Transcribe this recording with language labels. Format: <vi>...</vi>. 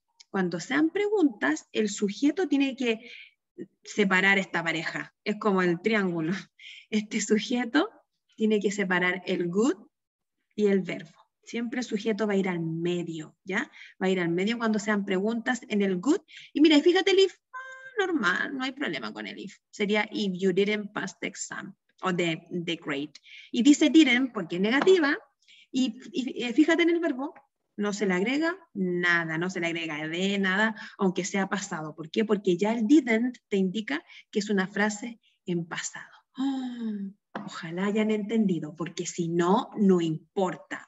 <es>Cuando sean preguntas, el sujeto tiene que separar esta pareja. Es como el triángulo. Este sujeto tiene que separar el good y el verbo. Siempre el sujeto va a ir al medio, ¿ya? Va a ir al medio cuando sean preguntas en el good. Y mira, fíjate el if, normal, no hay problema con el if.</es> <en>Sería if you didn't pass the exam o the grade.</en> <es>Y dice didn't porque es negativa. Y fíjate en el verbo, no se le agrega nada, no se le agrega de nada, aunque sea pasado. ¿Por qué? Porque ya el didn't te indica que es una frase en pasado. Oh. Ojalá hayan entendido, porque si no, no importa.</es>